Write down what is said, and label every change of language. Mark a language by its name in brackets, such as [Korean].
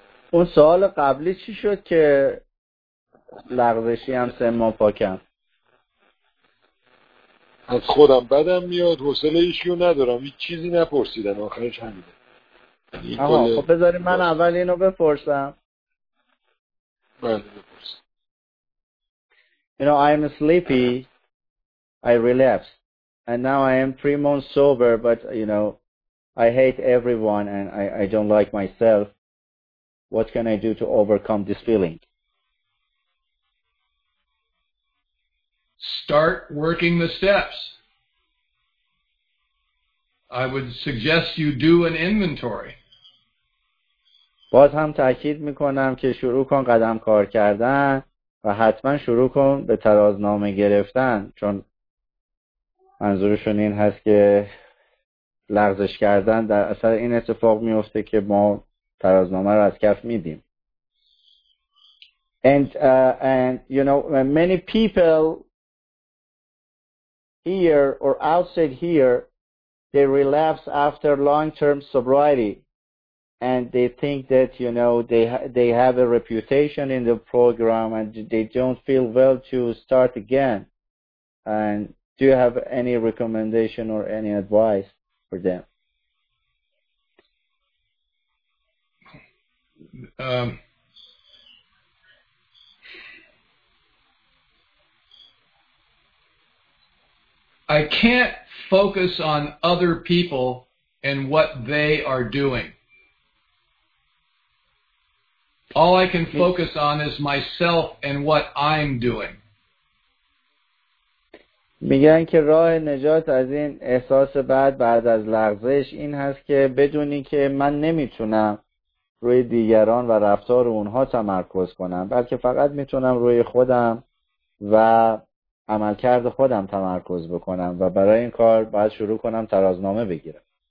[Persian] اون سوال قبلی چی شد که لغزشی هم سما پاکم؟ از خودم بدم میاد حوصله ایشیو ندارم. هیچ چیزی نپرسیدن آخرش همینه. خب بذاریم من اول اینو بپرسم. [English] You know, I am sleepy, I relapsed, and now I am 3 months sober, but, I hate everyone and I don't like myself. What can I do to overcome this feeling? Start working the steps. I would suggest you do an inventory. [Persian] باز هم تأکید میکنم که شروع کن قدم کار کردن و حتما شروع کن به ترازنامه گرفتن، چون منظورشون این هست که لغزش کردن در اثر این اتفاق میفته که ما ترازنامه رو از کف میدیم. [English] And you know, many people here or outside here, they relapse after long-term sobriety, and they think that, you know, they have a reputation in the program, and they don't feel well to start again. And do you have any recommendation or any advice for them? I can't focus on other people and what they are doing. All I can focus on is myself and what I'm doing. [Persian] میگن که راه نجات از این احساس بد بعد از لغزش این هست که بدونی که من نمیتونم روی دیگران و رفتار اونها تمرکز کنم، بلکه فقط میتونم روی خودم و عملکرد خودم تمرکز بکنم و برای این کار باید شروع کنم ترازنامه بگیرم.